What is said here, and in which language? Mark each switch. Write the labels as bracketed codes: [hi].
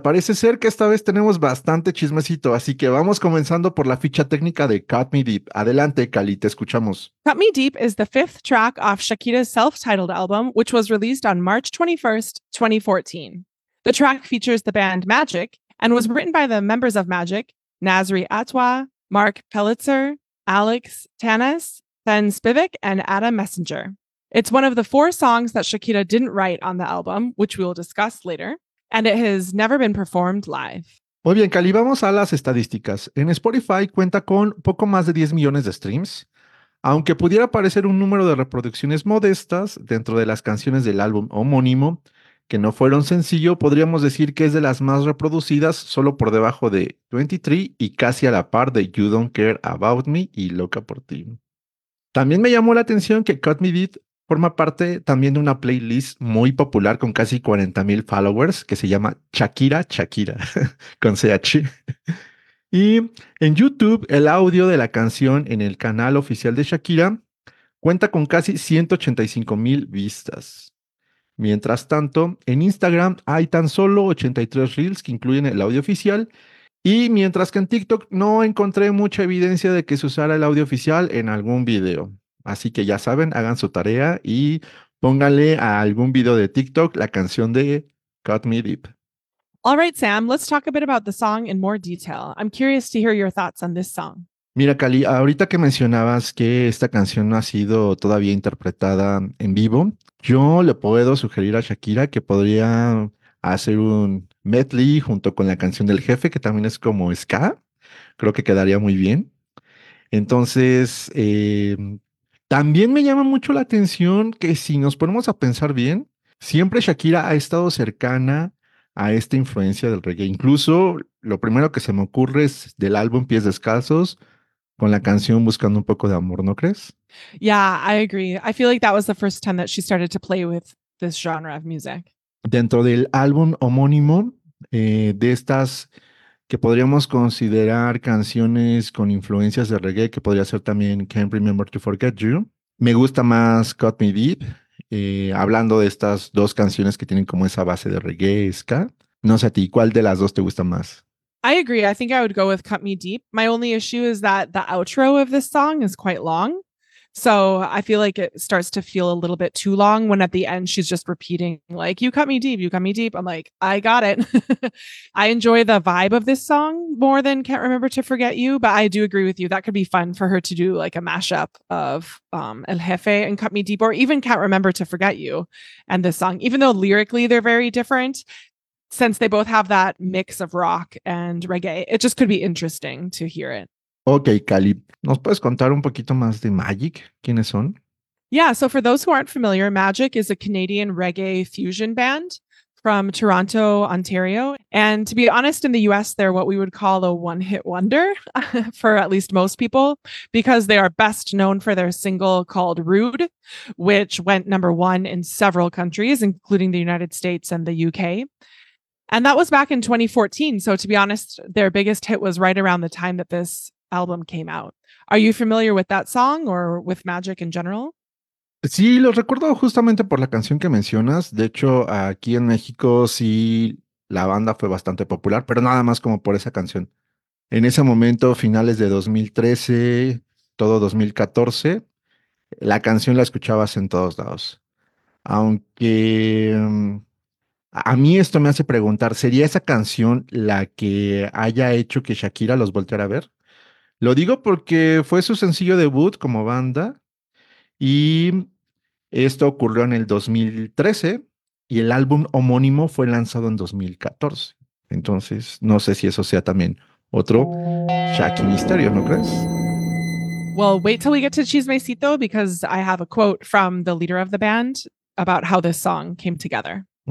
[es] Parece ser que esta vez tenemos bastante chismecito, así que vamos comenzando por la ficha técnica de Cut Me Deep. Adelante, Cali, te escuchamos. [en] Cut Me Deep is the fifth track off Shakira's self-titled album, which was released on March 21st, 2014. The track features the band Magic and was written by the members of Magic, Nasri Atwa, Mark Pelitzer, Alex Tanis, Ben Spivak, and Adam Messenger. It's one of the four songs that Shakira didn't write on the album, which we will discuss later. And it has never been performed live. [es] Muy bien, Cali, vamos a las estadísticas. En Spotify cuenta con poco más de 10 millones de streams. Aunque pudiera parecer un número de reproducciones modestas dentro de las canciones del álbum homónimo, que no fueron sencillo, podríamos decir que es de las más reproducidas, solo por debajo de 23 y casi a la par de You Don't Care About Me y Loca Por Ti. También me llamó la atención que Cut Me Deep forma parte también de una playlist muy popular con casi 40,000 followers que se llama Shakira Shakira, con CH. Y en YouTube, el audio de la canción en el canal oficial de Shakira cuenta con casi 185,000 vistas. Mientras tanto, en Instagram hay tan solo 83 reels que incluyen el audio oficial. Y mientras que en TikTok no encontré mucha evidencia de que se usara el audio oficial en algún video. Así que ya saben, hagan su tarea y pónganle a algún video de TikTok la canción de Cut Me Deep. [en] All right, Sam, let's talk a bit about the song in more detail. I'm curious to hear your thoughts on this song. [es] Mira, Cali, ahorita que mencionabas que esta canción no ha sido todavía interpretada en vivo, yo le puedo sugerir a Shakira que podría hacer un medley junto con la canción del jefe, que también es como ska. Creo que quedaría muy bien. Entonces, también me llama mucho la atención que si nos ponemos a pensar bien, siempre Shakira ha estado cercana a esta influencia del reggae. Incluso lo primero que se me ocurre es del álbum Pies Descalzos, con la canción Buscando un poco de amor, ¿no crees? [en] Yeah, I agree. I feel like that was the first time that she started to play with this genre of music. [es] Dentro del álbum homónimo, de estas que podríamos considerar canciones con influencias de reggae, que podría ser también Can't Remember to Forget You. Me gusta más Cut Me Deep, hablando de estas dos canciones que tienen como esa base de reggae, ska. No sé a ti, ¿cuál de las dos te gusta más? [en] I agree. I think I would go with Cut Me Deep. My only issue is that the outro of this song is quite long. So I feel like it starts to feel a little bit too long when at the end she's just repeating like, you cut me deep, you cut me deep. I'm like, I got it. I enjoy the vibe of this song more than Can't Remember to Forget You. But I do agree with you. That could be fun for her to do like a mashup of El Jefe and Cut Me Deep, or even Can't Remember to Forget You and this song. Even though lyrically they're very different, since they both have that mix of rock and reggae, it just could be interesting to hear it. [es] Okay, Cali, ¿nos puedes contar un poquito más de Magic? ¿Quiénes son? [en] Yeah, so for those who aren't familiar, Magic is a Canadian reggae fusion band from Toronto, Ontario. And to be honest, in the US, they're what we would call a one-hit wonder for at least most people, because they are best known for their single called Rude, which went number one in several countries, including the United States and the UK. And that was back in 2014. So to be honest, their biggest hit was right around the time that this album came out. Are you familiar with that song or with Magic in general? [es] Sí, los recuerdo justamente por la canción que mencionas. De hecho, aquí en México sí, la banda fue bastante popular, pero nada más como por esa canción. En ese momento, finales de 2013, todo 2014, la canción la escuchabas en todos lados. Aunque a mí esto me hace preguntar, ¿sería esa canción la que haya hecho que Shakira los volteara a ver? Lo digo porque fue su sencillo debut como banda y esto ocurrió en el 2013 y el álbum homónimo fue lanzado en 2014. Entonces, no sé si eso sea también otro Shaki misterio, ¿no crees? [en] Well, wait till we get to Chismecito, because I have a quote from the leader of the band about how this song came together.